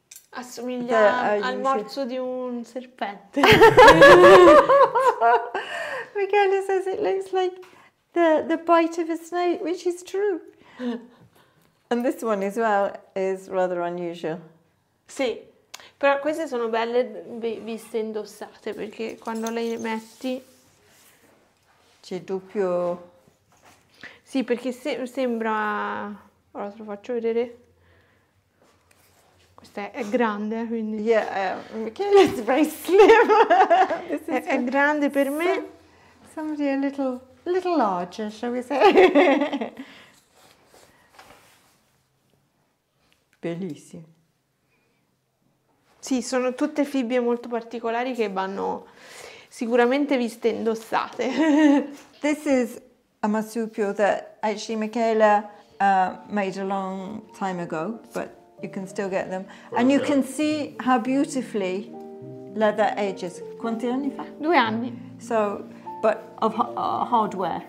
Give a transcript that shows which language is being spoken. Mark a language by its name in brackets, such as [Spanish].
[Italian] Assomiglia al morso di un serpente. [English] Michele says it looks like the bite of a snake, which is true. And this one as well is rather unusual. [Italian] Sì. Però queste sono belle viste indossate, perché quando le metti... C'è doppio... Sì, perché sembra... Ora te lo faccio vedere. Questa è grande, quindi... [English] Yeah, Michele is very slim. [Italian] È grande per me. [English] Somebody a little larger, shall we say. [Italian] Bellissimo. Sì, sono tutte fibbie molto particolari che vanno sicuramente viste indossate. [English] This is a marsupio that actually Michela made a long time ago, but you can still get them. And you can see how beautifully leather ages. [Italian] Quanti anni fa? 2 anni. [English] So, but of hardware.